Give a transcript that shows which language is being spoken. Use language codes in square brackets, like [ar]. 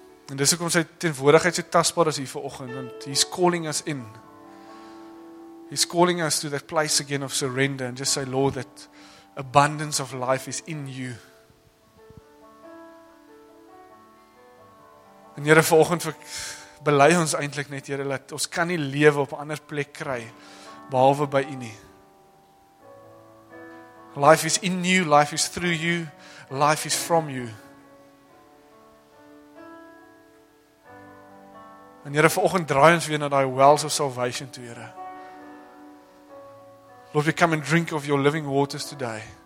[af] En dis hoekom sy teenwoordigheid so tastbaar is hier vanoggend, want [en] he's calling us in. He's calling us to that place again of surrender and just say, Lord, that abundance of life is in you. [af] En Here, vanoggend bely ons eintlik net, Here, dat ons kan nie lewe op 'n ander plek kry behalwe by U nie. [en] Life is in you, life is through you, life is from you. [af] En Here, vanoggend draai ons weer na daai [en] wells of salvation [af] toe, Here. [en] Lord, we come and drink of your living waters today.